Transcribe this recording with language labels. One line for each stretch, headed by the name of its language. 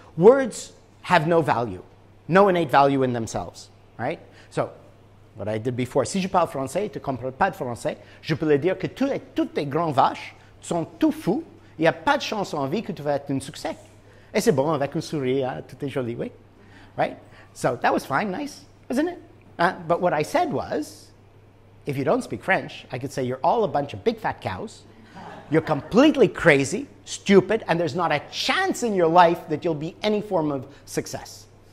English: Words have no value, no innate value in themselves, right? So, what I did before,
French: si je parle français, tu comprends pas de français, je peux le dire que toutes tes grandes vaches sont tout fous. Il n'y a pas de chance en vie que tu vas être un succès. Et c'est bon, avec un sourire, hein, tout est joli, oui.
English: Right? So that was fine, nice, wasn't it? But what I said was, if you don't speak French, I could say you're all a bunch of big fat cows, you're completely crazy, stupid, and there's not a chance in your life that you'll be any form of success.